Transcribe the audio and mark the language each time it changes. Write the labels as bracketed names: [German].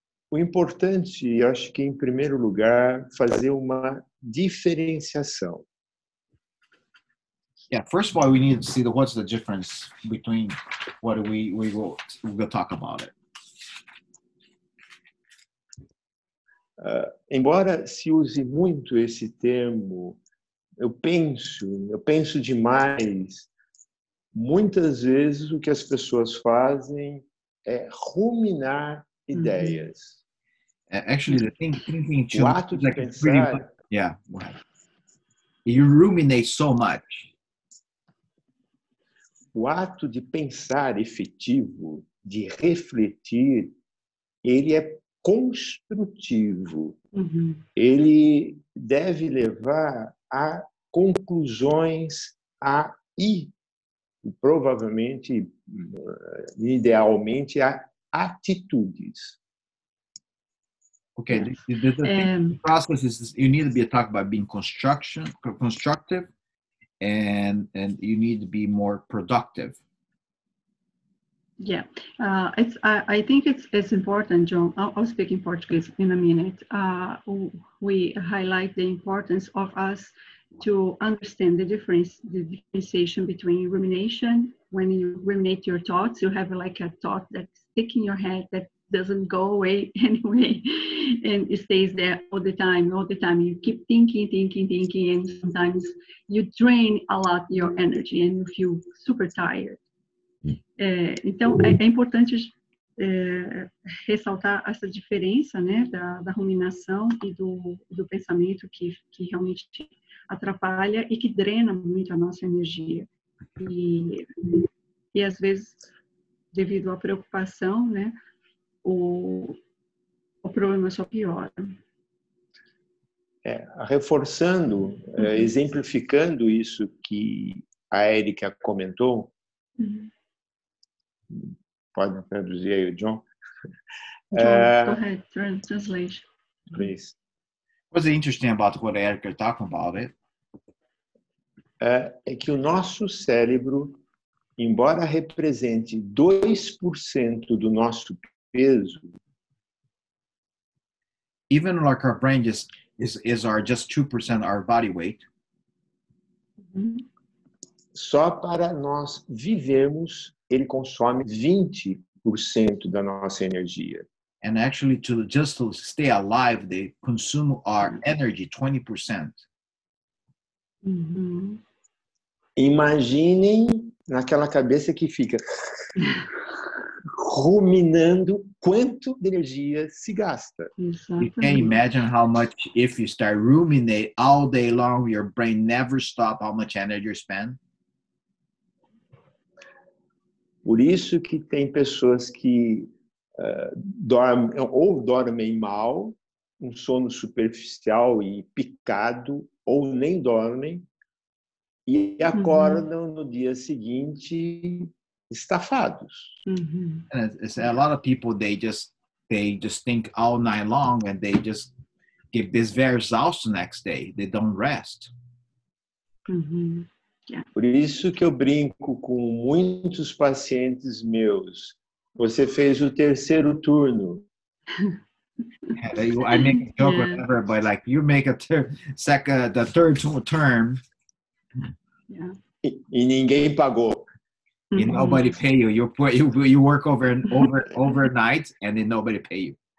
[Portuguese] O importante, eu acho que em primeiro lugar, fazer uma diferenciação. [English] Yeah, first of all, we need to see what's the difference between what we will talk about it. [Portuguese] Embora se use muito esse termo, eu penso demais, muitas vezes o que as pessoas fazem é ruminar ideias. [English] Actually, the thing thinking too much, [Portuguese] o ato de pensar, [English] you ruminate so much. [Portuguese] O ato de pensar efetivo, de refletir, ele é construtivo. Ele deve levar a conclusões, a e provavelmente, idealmente, a atitudes. [English] Okay, the process is you need to be talked about being constructive and you need to be more productive. Yeah, I think it's important, John. I'll speak in Portuguese in a minute. We highlight the importance of us to understand the difference, the differentiation between rumination. When you ruminate your thoughts, you have like a thought that's sticking in your head that doesn't go away anyway, and it stays there all the time. You keep thinking, and sometimes you drain a lot your energy and you feel super tired. [Portuguese] Então, é importante ressaltar essa diferença, né, da ruminação e do pensamento que realmente atrapalha e que drena muito a nossa energia. E às vezes, devido à preocupação, né, o problema só piora. Reforçando, exemplificando isso que a Erica comentou, pode traduzir aí, John? [English] John, go ahead, translate. Please. What's interesting about what Erica talked about it? [Portuguese] É que o nosso cérebro, embora represente 2% do nosso peso, [English] even like our brain is our just 2% our body weight. [Portuguese] Só para nós vivermos, ele consome 20% da nossa energia. [English] And actually, to just to stay alive, they consume our energy 20%. Mm-hmm. [Portuguese] Imaginem naquela cabeça que fica ruminando quanto de energia se gasta. [English] You can imagine how much, if you start ruminate all day long, your brain never stop how much energy you spend. [Portuguese] Por isso que tem pessoas que dormem ou dormem mal, um sono superficial e picado, ou nem dormem, e acordam no dia seguinte estafados. [English] A lot of people, they just think all night long and they just get this very exhausted the next day. They don't rest. [Portuguese] Por isso que eu brinco com muitos pacientes meus. Você fez o terceiro turno. [English] I make a joke with everybody, like, you make a third term. [Portuguese] E ninguém pagou. [English] And nobody pay you. You work overnight and then nobody pay you.